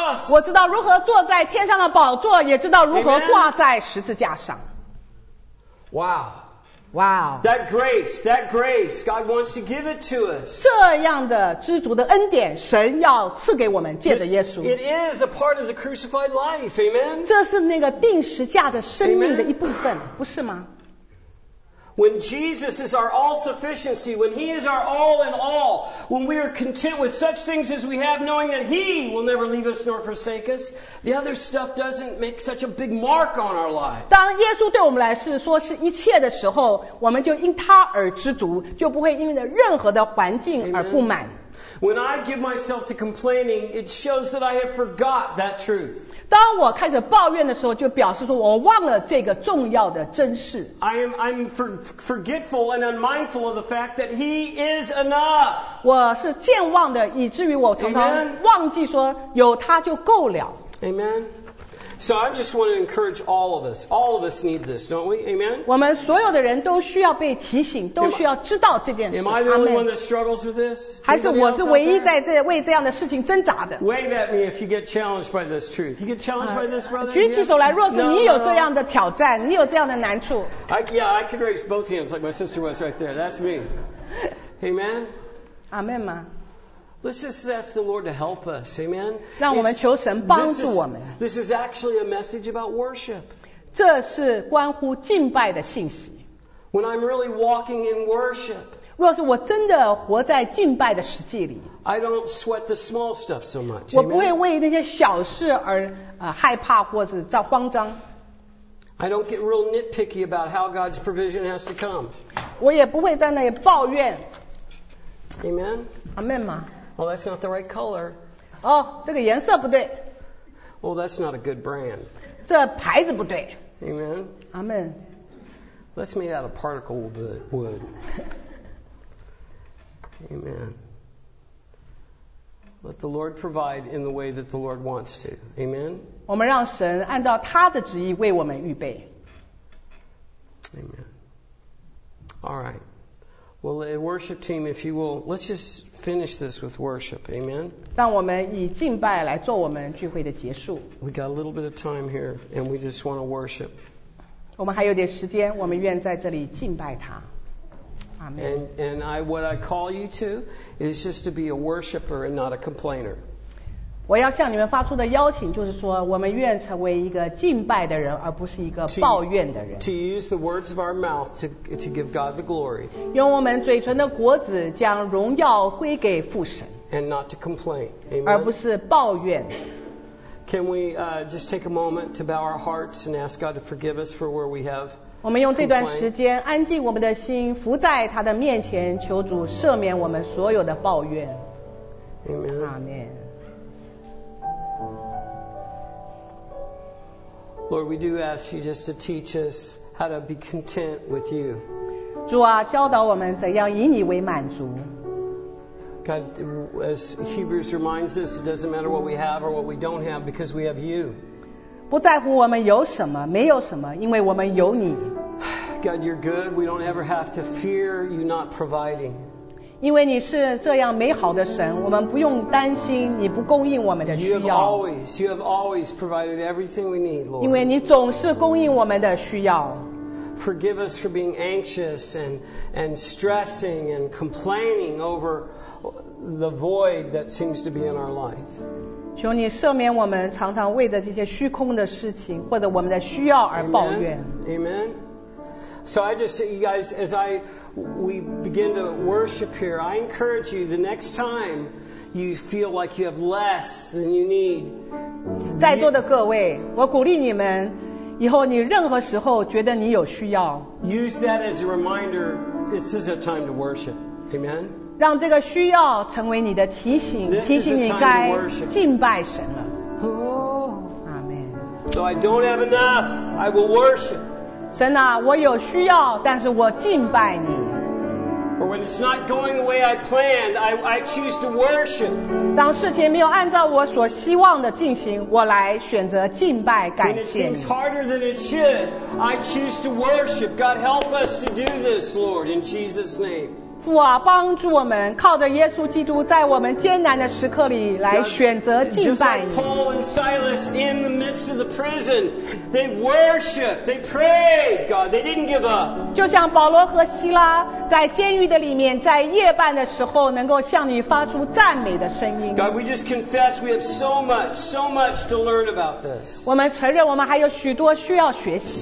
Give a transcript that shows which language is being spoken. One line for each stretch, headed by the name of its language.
Chinese: 我知道如何坐在天上的宝座，也知道如何挂在十字架上。
English: Wow. Wow. That grace, God wants to give it to us.
Chinese: 这样的知足的恩典，神要赐给我们，借着耶稣。
English: It is a part of the crucified life, amen.
Chinese: 这是那个钉十字架的生命的一部分，不是吗？
English: When Jesus is our all sufficiency, when He is our all in all, when we are content with such things as we have, knowing that He will never leave us nor forsake us, the other stuff doesn't make such a big mark on our lives.
Chinese: 当耶稣对我们来说是一切的时候，我们就因他而知足，就不会因为任何的环境而不满。
English: When I give myself to complaining, it shows that I have forgot that truth.
Chinese: 当我开始抱怨的时候，就表示说我忘了这个重要的真实。
English: I'm forgetful and unmindful of the fact that He is enough.
Chinese: 我是健忘的，以至于我常常忘记说有他就够了。
English: Amen. So I just want to encourage all of us. All of us need this, don't we? Amen.
Chinese: 我们所有的人都需要被提醒，都需要知道这件事。
English: Am I the only one that struggles with this?
Chinese: 还是我是唯一在这为这样的事情挣扎的？
English: Wave at me if you get challenged by this truth. You get challenged by this, brother?
Chinese: 举起手来，若是你有这样的挑战，你有这样的难处。
English: I could raise both hands like my sister was right there. That's me. Amen.
Chinese: Amen 吗？
English: Let's just ask the Lord to help us, amen?
Chinese: 让我们求神帮助我们。
English: This is actually a message about worship.
Chinese: 这是关乎敬拜的信息。
English: When I'm really walking in worship,
Chinese: 若是我真的活在敬拜的实际里，
English: I don't sweat the small stuff so much,
Chinese: 我不会为那些小事而害怕或是叫慌张。
English: I don't get real nitpicky about how God's provision has to come.
Chinese: 我也不会在那里抱怨。
English: Amen?
Chinese: Amen 吗？
English: Well, that's not the right color.
Chinese: 哦，这个颜色不对。
English: Well, that's not a good brand.
Chinese: 这牌子不对。
English: Amen. Amen. That's made out of particle wood. Amen. Let the Lord provide in the way that the Lord wants to. Amen.
Chinese: 我们让神按照他的旨意为我们预备。
English: Amen. All right. Well, the worship team, if you will, let's just finish this with worship. Amen.
Chinese: 让我们以敬拜来做我们聚会的结束。
English: We got a little bit of time here, and we just want to worship.
Chinese: 我们还有点时间，我们愿在这里敬拜他。
English: Amen. And what I call you to is just to be a worshiper and not a complainer.
Chinese: 我要向你们发出的邀请就是说，我们愿成为一个敬拜的人，而不是一个抱怨的人。
English: To use the words of our mouth to give God the glory.
Chinese: 用我们嘴唇的果子将荣耀归给父神。
English: And not to complain. Amen.
Chinese: 而不是抱怨。
English: Can we just take a moment to bow our hearts and ask God to forgive us for where we have?
Chinese: 我们用这段时间安静我们的心，伏在他的面前，求主赦免我们所有的抱怨。
English: Amen. Amen. Lord, we do ask you just to teach us how to be content with you.
Chinese: 主啊，教导我们怎样以你为满足。
English: God, as Hebrews reminds us, it doesn't matter what we have or what we don't have because we have you.
Chinese: 不在乎我们有什么，没有什么，因为我们有你。
English: God, you're good. We don't ever have to fear you not providing.
Chinese: 因为你是这样美好的神，我们不用担心你不供应我们的需要。
English: You have always provided everything we need, Lord.
Chinese: 因为你总是供应我们的需要。
English: Forgive us for being anxious and stressing and complaining over the void that seems to be in our life.
Chinese: 求你赦免我们常常为着这些虚空的事情或者我们的需要而抱怨。
English: Amen. Amen. So I just say, you guys, as we begin to worship here, I encourage you the next time you feel like you have less than you need.
Chinese: 在座的各位，我鼓励你们，以后你任何时候觉得你有需要，
English: use that as a reminder, this is a time to worship. Amen?
Chinese: 让这个需要成为你的提醒，提醒你该敬拜神了。
English: Oh, Amen. So I don't have enough, I will worship.
Chinese: 神啊，我有需要，但是我敬拜你。
English: Or when it's not going the way I planned, I choose to worship.
Chinese: 当事情没有按照我所希望的进行，我来选择敬拜感谢。
English: When it seems harder than it should, I choose to worship. God, help us to do this, Lord, in Jesus' name.
Chinese: 父啊，帮助我们靠着耶稣基督，在我们艰难的时刻里来选择敬拜你。
English: Just like Paul and Silas in the midst of the prison, they worshiped, they prayed, God, they didn't give up.
Chinese: 就像保罗和希拉在监狱的里面，在夜半的时候能够向你发出赞美的声音。
English: God, we just confess we have so much, so much to learn about this.
Chinese: 我们承认我们还有许多需要学习。